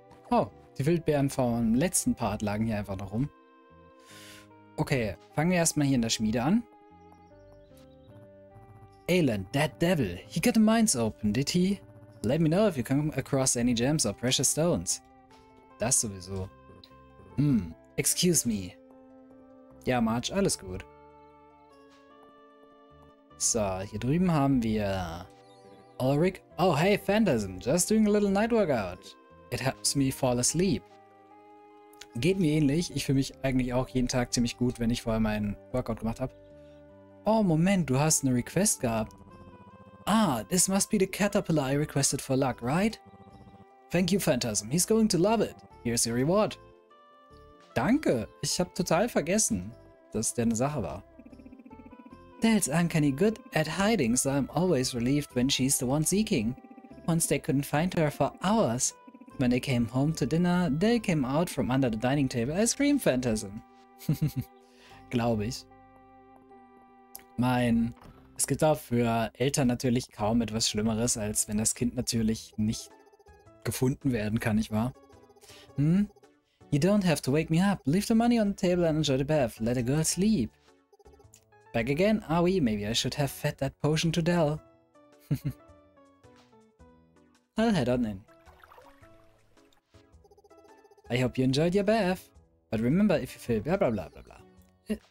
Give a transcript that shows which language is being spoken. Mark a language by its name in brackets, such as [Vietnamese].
[German] Oh, die Wildbeeren vom letzten Part lagen hier einfach noch rum. Okay, fangen wir erstmal hier in der Schmiede an. [English] Aelin, that devil, he got the mines open, did he? Let me know if you come across any gems or precious stones. [German] Das sowieso. Hm, [English] excuse me. [German] Ja, Marge, alles gut. So, hier drüben haben wir Ulrich. [English] Oh, hey, Phantasm, just doing a little night workout. It helps me fall asleep. [German] Geht mir ähnlich. Ich fühle mich eigentlich auch jeden Tag ziemlich gut, wenn ich vorher meinen Workout gemacht habe. Oh, Moment, du hast eine Request gehabt. [English] Ah, this must be the caterpillar I requested for luck, right? Thank you, Phantasm. He's going to love it. Here's your reward. [German] Danke. Ich habe total vergessen, dass der eine Sache war. [English] Dell's uncanny good at hiding, so I'm always relieved when she's the one seeking. Once they couldn't find her for hours. When they came home to dinner, Dell came out from under the dining table as Scream Phantasm. [German] Glaube ich. Mein... Es gibt auch für Eltern natürlich kaum etwas Schlimmeres, als wenn das Kind natürlich nicht gefunden werden kann, nicht wahr? [English] Hm? You don't have to wake me up. Leave the money on the table and enjoy the bath. Let a girl sleep. Back again, are we? Maybe I should have fed that potion to Dell. I'll head on in. I hope you enjoyed your bath. But remember, if you feel blah blah blah blah blah.